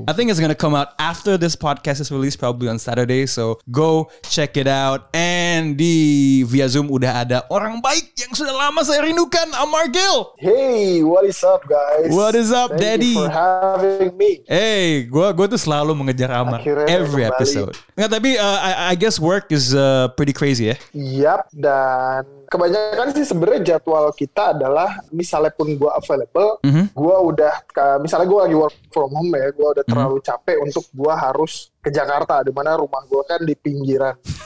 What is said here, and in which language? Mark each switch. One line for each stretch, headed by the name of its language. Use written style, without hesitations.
English: I think it's gonna come out after this podcast is released, probably on Saturday. So go check it out.
Indonesian: And di via Zoom udah ada orang baik yang sudah lama saya rindukan, Amar Gil.
English: Hey, what is up guys? What is up, Thank Daddy? Thank you for having me.
Indonesian: Hey, gue tuh selalu mengejar Amar. Akhirnya
English: every episode.
Indonesian: Nggak, tapi
English: I guess work is pretty crazy ya?
Indonesian: Yap, dan kebanyakan sih sebenarnya jadwal kita adalah misalnya pun gue available, gue udah, misalnya gue lagi
English: work from home
Indonesian: ya, gue udah terlalu capek untuk gue harus ke Jakarta, dimana rumah gue kan di pinggiran.